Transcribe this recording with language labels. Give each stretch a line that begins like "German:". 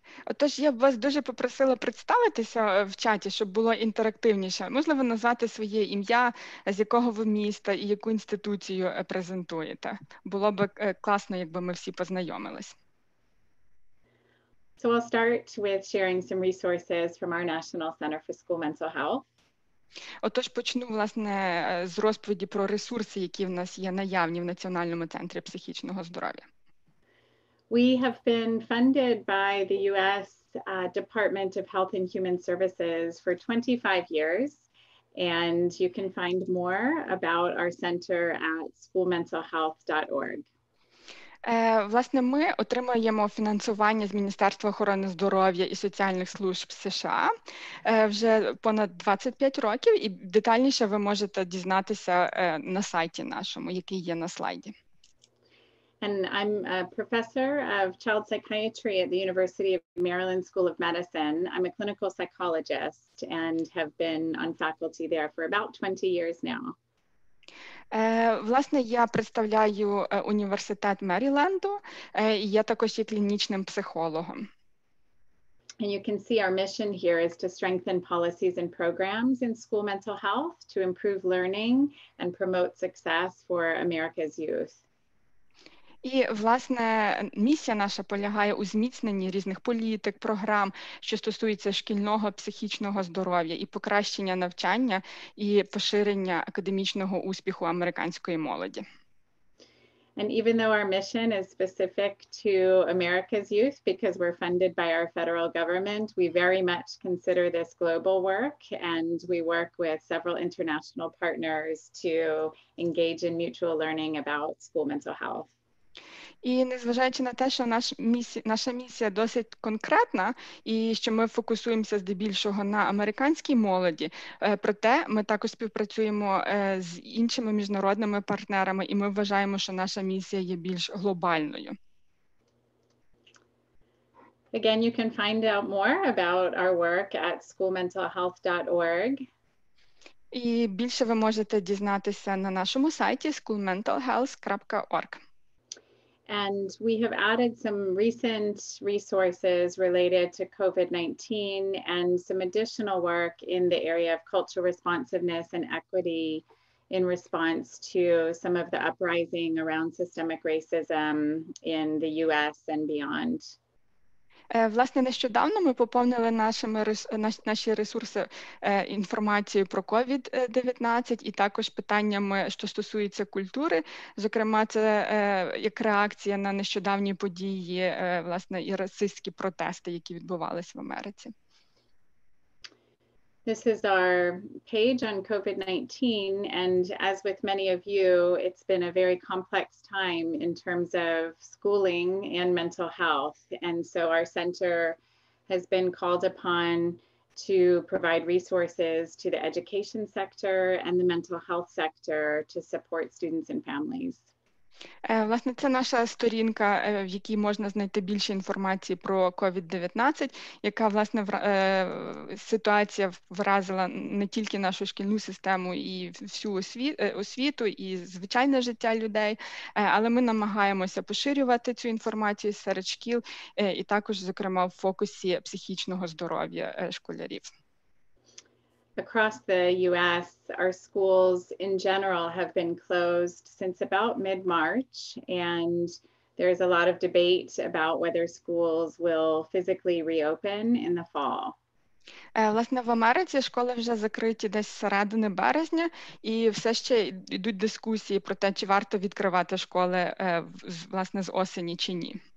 Ukrainian: Отож, я б вас дуже попросила представитися в чаті, щоб було інтерактивніше. Можливо, назвати своє ім'я, з якого ви міста і яку інституцію презентуєте. Було б класно, якби ми всі познайомились.
English: So I'll start with sharing some resources from our National Center for School Mental Health.
Ukrainian: Отож, почну, власне, з розповіді про ресурси, які в нас є наявні в Національному центрі психічного здоров'я.
English: We have been funded by the U.S. Department of Health and Human Services for 25 years, and you can find more about our center at schoolmentalhealth.org.
Ukrainian: Власне, ми отримуємо фінансування з Міністерства охорони здоров'я і соціальних служб США вже понад 25 років, і детальніше ви можете дізнатися на сайті нашому, який є на слайді.
English: And I'm a professor of child psychiatry at the University of Maryland School of Medicine. I'm a clinical psychologist and have been on faculty there for about 20 years now.
Ukrainian: Власне, я представляю університет Меріленду, і я також є клінічним психологом.
English: And you can see our mission here is to strengthen policies and programs in school mental health to improve learning and promote success for America's youth.
Ukrainian: І, власне, місія наша полягає у зміцненні різних політик, програм, що стосуються шкільного психічного здоров'я і покращення навчання і поширення академічного успіху американської молоді.
English: And even though our mission is specific to America's youth because we're funded by our federal government, we very much consider this global work and we work with several international partners to engage in mutual learning about school mental health.
Ukrainian: І незважаючи на те, що наша місія досить конкретна і що ми фокусуємося здебільшого на американській молоді, проте ми також співпрацюємо з іншими міжнародними партнерами і ми вважаємо, що наша місія є більш глобальною.
English: Again, you can find out more about our work at schoolmentalhealth.org.
Ukrainian: І більше ви можете дізнатися на нашому сайті schoolmentalhealth.org.
English: And we have added some recent resources related to COVID-19 and some additional work in the area of cultural responsiveness and equity in response to some of the uprising around systemic racism in the US and beyond.
Ukrainian: Власне, нещодавно ми поповнили наші ресурси інформацією про COVID-19 і також питаннями, що стосується культури, зокрема, це як реакція на нещодавні події, власне, і расистські протести, які відбувалися в Америці.
English: This is our page on COVID-19, and as with many of you, it's been a very complex time in terms of schooling and mental health. And so our center has been called upon to provide resources to the education sector and the mental health sector to support students and families.
Ukrainian: Власне, це наша сторінка, в якій можна знайти більше інформації про COVID-19, яка, власне, ситуація вразила не тільки нашу шкільну систему і всю освіту, і звичайне життя людей, але ми намагаємося поширювати цю інформацію серед шкіл і також, зокрема, в фокусі психічного здоров'я школярів.
English: Across the U.S., our schools in general have been closed since about mid-March, and there is a lot of debate about whether schools will physically reopen in the fall.
Ukrainian: Власне, в Америці школи вже закриті десь середини березня, і все ще йдуть дискусії про те, чи варто відкривати школи, власне, з осені чи ні.